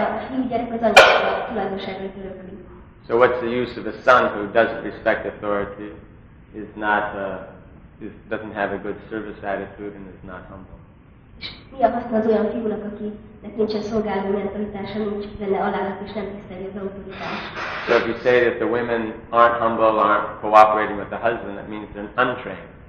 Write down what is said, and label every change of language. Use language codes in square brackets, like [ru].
[en] So what's the use of a son who doesn't respect authority, is not doesn't have a good service attitude, and is not humble? [hu] Mi a haszna az olyan fiúnak, akinek nincsen szolgáló mentalitása, nincs benne alázat és nem tiszteli az autoritást? [en] So if you say that the women aren't humble, aren't cooperating with the husband, that means they're untrained.